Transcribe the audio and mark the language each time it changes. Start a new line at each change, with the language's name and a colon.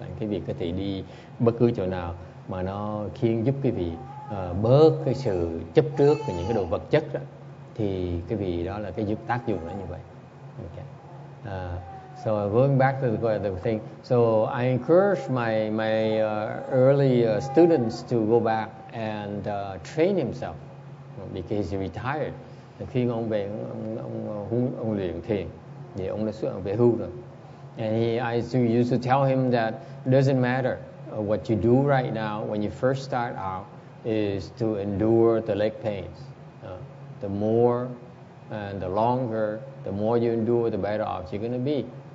Vietnamese: Like, quý vị có thể đi bất cứ chỗ nào mà nó khiến giúp quý vị bớt cái sự chấp trước về những cái đồ vật chất đó, thì quý vị đó là cái giúp tác dụng nó như vậy.
English: Okay. So going back to the thing, so I encourage my early students to go back and train himself because he retired.
Vietnamese: Khi ông về ông luyện thiền thì ông đã xuống về hưu rồi.
English: And I used to tell him that doesn't matter what you do right now when you first start out is to endure the leg pains. The more and the longer, the more you endure, the better off you're gonna be.